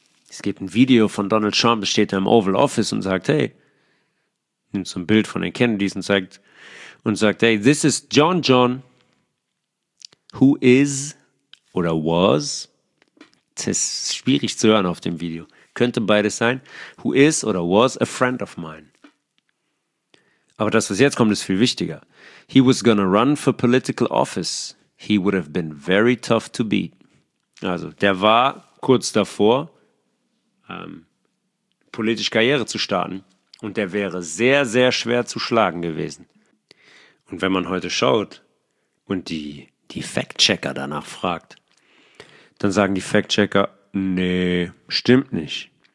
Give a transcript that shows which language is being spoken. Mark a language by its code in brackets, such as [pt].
[de] Es gibt ein Video von Donald Trump, das steht da im Oval Office und sagt, hey, nimmt so ein Bild von den Kennedys und sagt, hey, [en] this is John, who is [de] oder was, das ist schwierig zu hören auf dem Video, könnte beides sein, who is oder was [en] a friend of mine. [de] Aber das, was jetzt kommt, ist viel wichtiger. [en] He was gonna run for political office. He would have been very tough to beat. [de] Also, der war kurz davor, politische Karriere zu starten. Und der wäre sehr, sehr schwer zu schlagen gewesen. Und wenn man heute schaut und die Fact-Checker danach fragt, dann sagen die Fact-Checker, nee, stimmt nicht.